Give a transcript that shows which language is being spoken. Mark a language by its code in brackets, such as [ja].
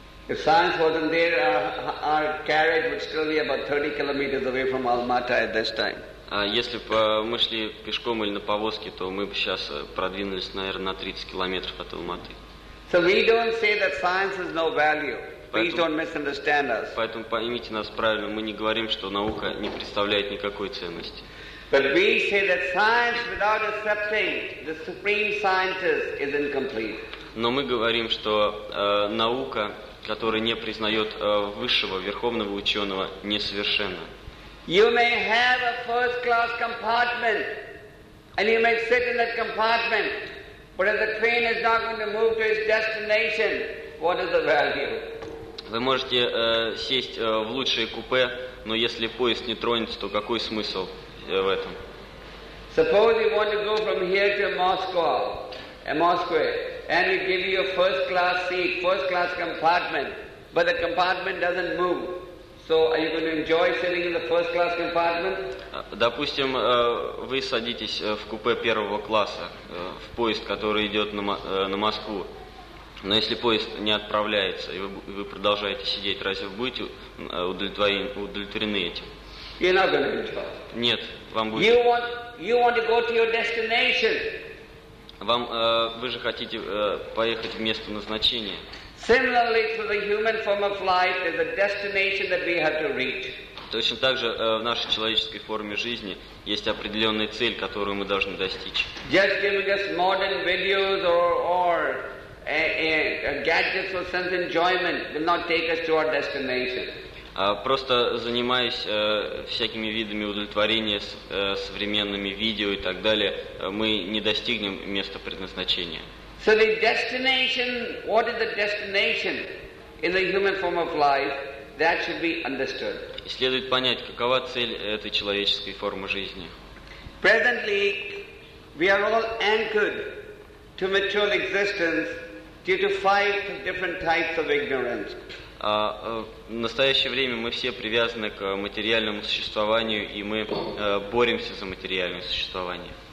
[en] If science wasn't there, our carriage would still be about 30 kilometers away from Almaty at this time. [ru] Если бы мы шли пешком или на повозке, то мы бы сейчас продвинулись, наверное, на 30 километров от Алматы. [en] So we don't say that science has no value. Please don't misunderstand us. [ru] Поэтому поймите нас правильно. Мы не говорим, что наука не представляет никакой ценности. [en] But we say that science without accepting the supreme scientist is incomplete. [ru] Но мы говорим, что наука, которая не признает высшего, верховного ученого, несовершенна. [en] You may have a first-class compartment, and you may sit in that compartment, but if the train is not going to move to its destination, what is the value? [ru] Вы можете сесть в лучшее купе, но если поезд не тронется, то какой смысл в этом? [en] Suppose you want to go from here to Moscow, and we give you a first-class seat, first-class compartment, but the compartment doesn't move. So are you going to enjoy sitting in the first class compartment? [ru] Допустим, вы садитесь в купе первого класса, в поезд, который идет на Москву. Но если поезд не отправляется, и вы продолжаете сидеть, разве вы будете удовлетворены этим? [en] You're not going to enjoy. [ru] Нет, вам будет. [en] You want to go to your destination. [ru] Вы же хотите поехать в место назначения. [en] Similarly, for the human form of life, there's a destination that we have to reach. [ru] Точно так же в нашей человеческой форме жизни есть определенная цель, которую мы должны достичь. [en] Just giving us modern videos or gadgets for sense enjoyment will not take us to our destination. [ru] Просто занимаясь всякими видами удовлетворения с современными видео и так далее, мы не достигнем места предназначения. [en] So the destination, what is the destination in the human form of life, that should be understood. [ru] Следует понять, какова цель этой человеческой формы жизни. [en] Presently, we are all anchored to material existence due to five different types of ignorance. [ru] В настоящее время мы все привязаны к материальному существованию, и мы боремся за материальное существование.